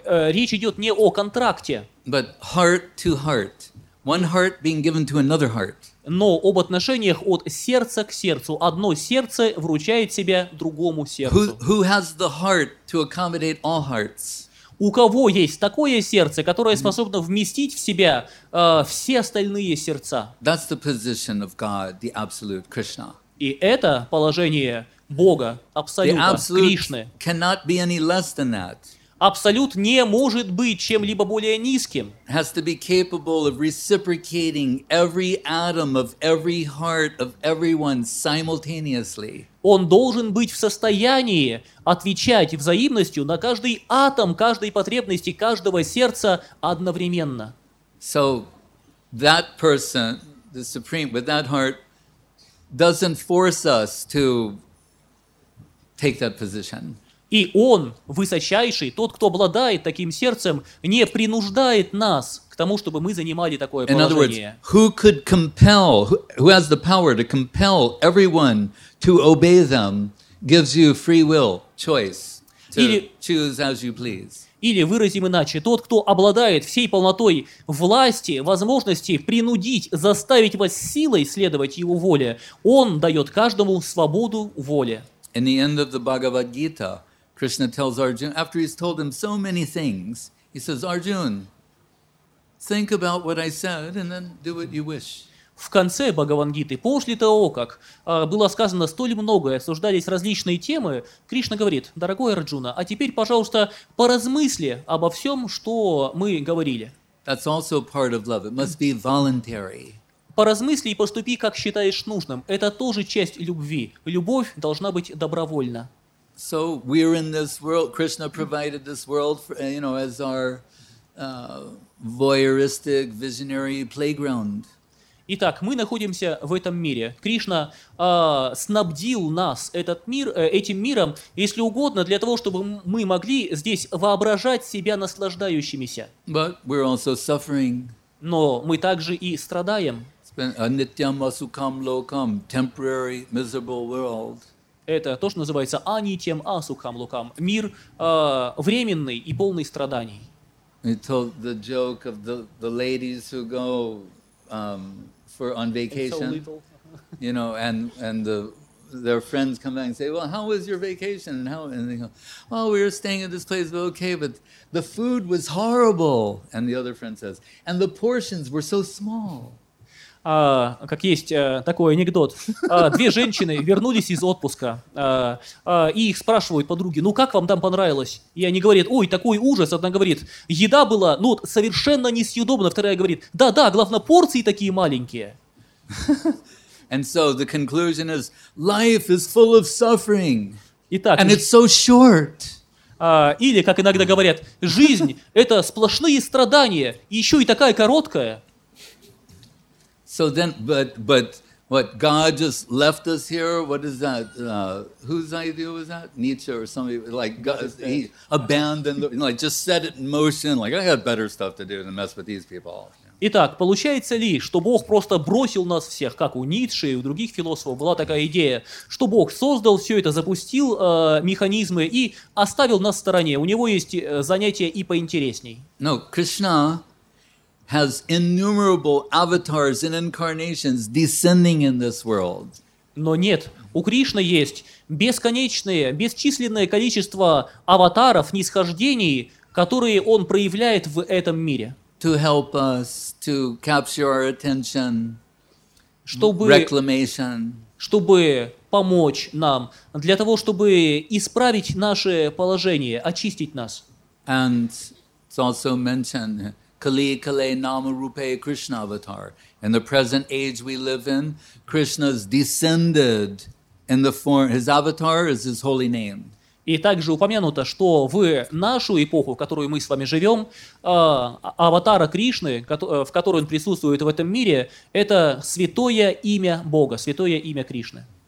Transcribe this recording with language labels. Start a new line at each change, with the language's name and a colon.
Russian: речь идет не о контракте.
English: But heart to heart. One heart being given to another heart.
Russian: Но об отношениях от сердца к сердцу. Одно сердце вручает себя другому сердцу.
English: Who has the heart to accommodate all hearts?
Russian: У кого есть такое сердце, которое способно вместить в себя все остальные сердца?
English: That's the position of God, the absolute Krishna.
Russian: И это положение Бога, Абсолюта,
English: the absolute
Russian: Кришны.
English: Cannot be any less than that.
Russian: Абсолют не может быть чем-либо более низким.
English: Has to be capable of reciprocating every atom of every heart of everyone simultaneously.
Russian: Он должен быть в состоянии отвечать взаимностью на каждый атом, каждой потребности каждого сердца одновременно.
English: So that person, the supreme, with that heart, doesn't force us to take that position.
Russian: И он, высочайший, тот, кто обладает таким сердцем, не принуждает нас к тому, чтобы мы занимали такое положение.
English: In other words, who could compel, who has the power to compel everyone to obey them, gives you free will, choice, to
Russian: или,
English: choose as you please.
Russian: Или выразим иначе, тот, кто обладает всей полнотой власти, возможности принудить, заставить вас силой следовать его воле, он дает каждому свободу воли.
English: In the end of the Bhagavad Gita, Krishna tells Arjuna, after he's told him so many things, he says, Arjuna, think about what I said and then do what you wish.
Russian: В конце Бхагавад-гиты, после того, как было сказано столь многое, обсуждались различные темы, Кришна говорит, дорогой Арджуна, а теперь, пожалуйста, поразмысли обо всем, что мы говорили.
English: That's also part of love. It must be voluntary.
Russian: Поразмысли и поступи, как считаешь нужным. Это тоже часть любви. Любовь должна быть добровольна.
English: So we're in this world. Krishna provided this world, for, you know, as our voyeuristic, visionary playground.
Russian: Итак, мы находимся в этом мире. Кришна снабдил нас этот мир, этим миром, если угодно, для того, чтобы мы могли здесь воображать себя наслаждающимися.
English: But we're also suffering.
Russian: Но мы также и страдаем.
Sanskrit: Anityam asukam lokam,
English: temporary miserable world.
Russian: Это то, что называется анитьям асукам лукам. Мир временный и полный страданий.
English: He told the joke of the ladies who go for on vacation. So you know, and the their friends come back and say, well, how was your vacation? And how and they go, well, we were staying at this place, but okay, but the food was horrible. And the other friend says, and the portions were so small.
Russian: Как есть такой анекдот. Две женщины вернулись из отпуска, и их спрашивают подруги, ну как вам там понравилось? И они говорят, ой, такой ужас. Одна говорит, еда была ну, совершенно несъедобна. Вторая говорит, да-да, главное, порции такие маленькие.
English: And so the conclusion is, life is full of suffering.
Russian: Итак,
English: and it's so short.
Russian: Или, как иногда говорят, жизнь – это сплошные страдания, и еще и такая короткая.
English: So then, but what, God just left us here? What is that? Whose idea was that? Nietzsche or somebody? Like, God, he abandoned, the, you know, like, just set it in motion. Like, I got better stuff to do than mess with these people.
Russian: Итак, получается ли, что Бог просто бросил нас всех, как у Ницше и у других философов была такая идея, что Бог создал все это, запустил механизмы и оставил нас в стороне? У него есть занятия и поинтересней.
English: No, Krishna has innumerable avatars and incarnations descending in this world.
Russian: Но нет, у Кришны есть бесконечное, бесчисленное количество аватаров, нисхождений, которые он проявляет в этом мире.
English: To help us, to capture our attention,
Russian: чтобы,
English: reclamation.
Russian: Чтобы помочь нам, для того, чтобы исправить наше положение, очистить нас.
English: And it's also mentioned
Sanskrit: Kali Kale Nama Rupe Krishna Avatar.
English: In the present age we live in, Krishna's descended in the form, his avatar is his holy name.
Russian: И также упомянуто, что в нашу эпоху, в которую мы с вами живем, аватара Кришны, в которой он присутствует в этом мире, это святое имя Бога, святое имя Кришны.